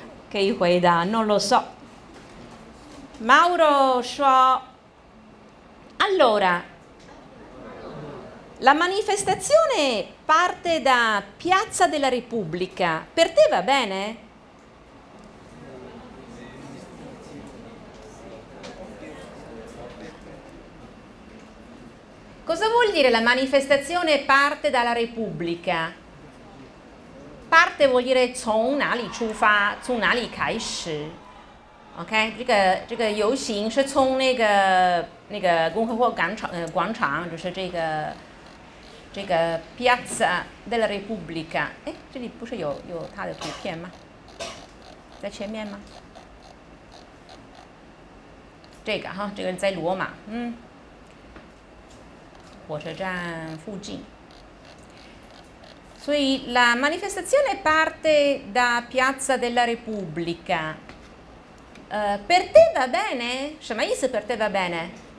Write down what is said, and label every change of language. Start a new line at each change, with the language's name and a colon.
Chinese: 可以回答
Italian: non lo so Mauro
Chinese: 说
Italian: Allora La manifestazione parte da Piazza della Repubblica Per te va bene? Cosa vuol dire la manifestazione parte dalla Repubblica? Parte vuol dire
Chinese: 从哪里出发，从哪里开始 ，OK？这个游行是从那个共和国广场，就是这个 Piazza della Repubblica。哎，这里不是有它的图片吗？在前面吗？这个哈，这个在罗马，火车站附近。
Italian: 所以 la manifestazione parte da Piazza della Repubblica. Per te va bene?
Chinese: 什么意思
Italian: per te va bene?